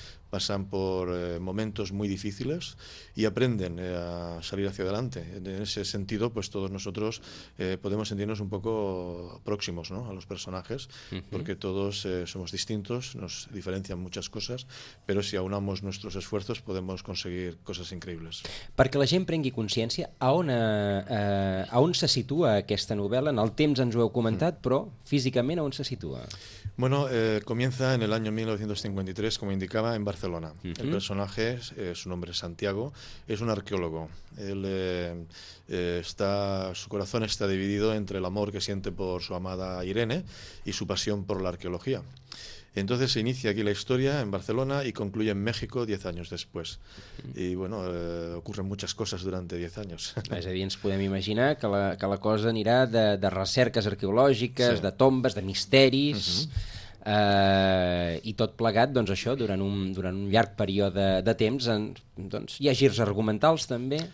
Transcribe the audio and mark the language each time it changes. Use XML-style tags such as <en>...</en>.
<es>Pasan por momentos muy difíciles y aprenden a salir hacia adelante. En ese sentido, pues todos nosotros podemos sentirnos un poco próximos, ¿no?, a los personajes, uh-huh, porque todos somos distintos, nos diferencian muchas cosas, pero si aunamos nuestros esfuerzos podemos conseguir cosas increíbles.</es> <ca>Perquè la gent prengui consciència, a on se situa aquesta novel·la? En el temps ens ho heu comentat, uh-huh, però físicament a on se situa?</ca> <es>Bueno, comienza en el año 1953, como indicaba, en Barcelona. Uh-huh. El personaje, su nombre es Santiago, es un arqueólogo. Él su corazón está dividido entre el amor que siente por su amada Irene y su pasión por la arqueología. Entonces se inicia aquí la historia en Barcelona y concluye en México 10 años después. Y bueno, ocurren muchas cosas durante 10 años.</es> <ca>És a dir, ens podem imaginar que la cosa anirà de recerques arqueològiques, sí, de tombes, de misteris, uh-huh, i tot plegat, doncs això, durant un llarg període de temps, doncs hi ha girs argumentals també.</ca>